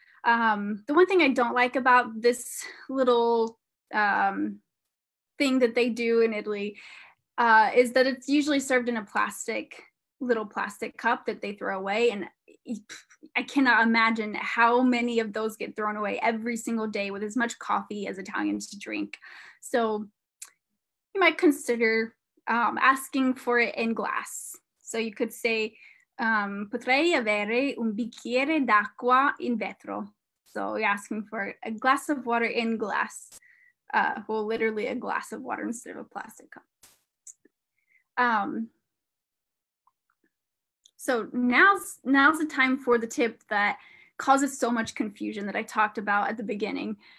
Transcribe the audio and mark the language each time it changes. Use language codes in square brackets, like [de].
[en] The one thing I don't like about this little thing that they do in Italy is that it's usually served in a plastic, little plastic cup that they throw away. And I cannot imagine how many of those get thrown away every single day with as much coffee as Italians drink. So you might consider asking for it in glass. So you could say, [it] potrei avere un bicchiere d'acqua in vetro. [en] So you're asking for a glass of water in glass, well, literally a glass of water instead of a plastic cup. So now's the time for the tip that causes so much confusion that I talked about at the beginning.